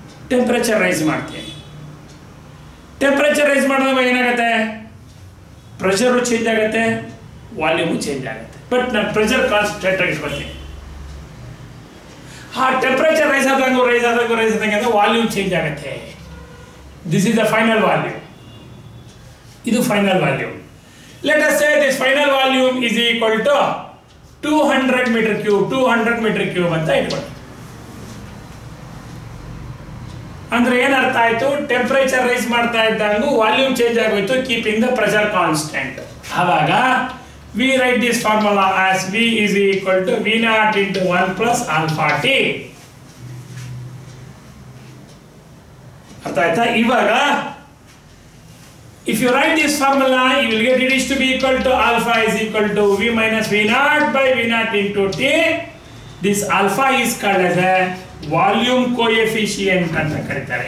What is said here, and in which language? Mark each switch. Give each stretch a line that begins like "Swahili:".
Kannada: Temperature rice ಮಾಡ್ತೀನಿ. Temperature rice ಮಾಡಿದಾಗ ಏನಾಗುತ್ತೆ, ಪ್ರೆಷರು ಚೇಂಜ್ ಆಗುತ್ತೆ, ವಾಲ್ಯೂಮು ಚೇಂಜ್ ಆಗುತ್ತೆ. ಬಟ್ ನಾನು ಪ್ರೆಷರ್ ಕಾನ್ಸ್ಟೆಂಟ್ ಆಗಿಸ್ಕೊಳ್ತೀನಿ. ಆ ಟೆಂಪರೇಚರ್ ರೈಸ್ ಆದಂಗೂ ರೈಸ್ ಆದಂಗೂ ರೈಸ್ ಆದಂಗೆ ಅಂದರೆ ವಾಲ್ಯೂಮ್ ಚೇಂಜ್ ಆಗುತ್ತೆ.
English: this is the final volume,
Kannada: ಇದು final volume.
English: Let us say this final volume is equal to 200 m³
Kannada: ಅಂತ ಇಟ್ಕೊಳ್ಳಿ. ಅಂದ್ರೆ ಏನರ್ಥ ಆಯ್ತು, ಟೆಂಪರೇಚರ್ ರೈಸ್ ಮಾಡ್ತಾ ಇದ್ದಂಗು ವಾಲ್ಯೂಮ್ ಚೇಂಜ್ ಆಗೋಯ್ತು,
English: Keeping the pressure constant. ಅವಾಗ we write this formula as V is equal to V naught into 1 + α t.
Kannada: ಅರ್ಥ ಆಯ್ತಾ?
English: ಇವಾಗ if you write this formula, you will get it is to be equal to alpha is equal to v minus v naught by v naught into t. This alpha is called as a volume coefficient
Kannada: anta karitare.